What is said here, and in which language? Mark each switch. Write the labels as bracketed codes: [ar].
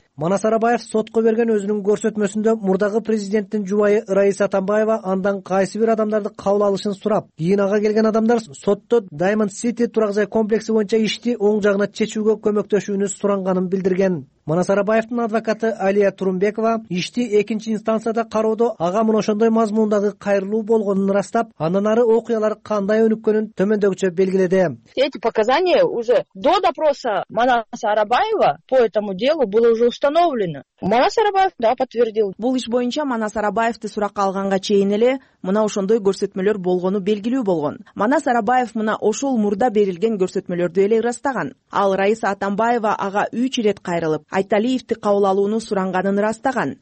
[ky] Манас Арабаев сотко берген өзүнүн көрсөтмөсүндө мурдагы президенттин жубайы Раиса Атамбаева андан кайсы бир адамдарды кабыл алышын сурап, ИИНага келген адамдар сотто Diamond City турак жай комплекси боюнча ишти оң жагына чечүүгө көмөктөшүүнү суранганын билдирген. Манас Арабаевдин адвокаты Алия Турумбекова ишти экинчи инстанцияда кароодо ага мына ошондой мазмундагы кайрылуу болгонун ырастап, андан ары окуялар кандай өнүккөнүн төмөндөгүчө белгиледи. [ru] Эти показания уже до допроса Манаса Арабаева по этому делу было уже установлено. Манас Арабаев да подтвердил. [ky] Бул иш боюнча Манас Арабаевди суракка алганга чейин эле мына ошондой көрсөтмөлөр болгону белгилүү болгон. Манас Арабаев мына ошол мурда берилген көрсөтмөлөрдү эле ырастаган. Ал Раиса Атамбаева ага 3 ирет кайрылып, Айталиевди кабыл алууну суранганын ырастаган.